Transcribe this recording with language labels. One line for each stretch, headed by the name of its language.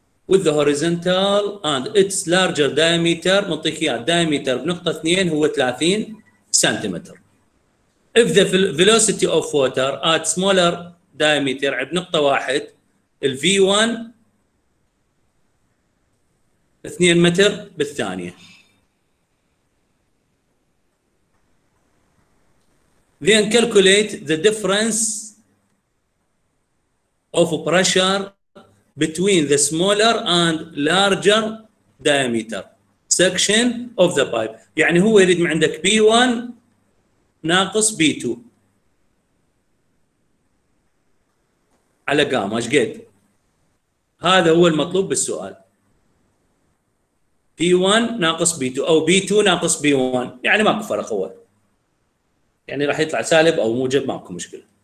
English: With the horizontal and its larger diameter, منطقية diameter
Arabic: بنقطة 2 هو 30 سنتيمتر.
English: If the velocity of water at smaller diameter
Arabic: عند نقطة 1 ال V1 2 متر بالثانية.
English: Then calculate the difference of pressure between the smaller and larger diameter section of the pipe.
Arabic: يعني هو يريد من عندك بي 1 ناقص بي 2 على جاما، ايش قد؟ هذا هو المطلوب بالسؤال. بي 1 ناقص بي 2 او بي 2 ناقص بي 1، يعني ماكو فرق، هو يعني راح يطلع سالب او موجب، ماكو مشكله.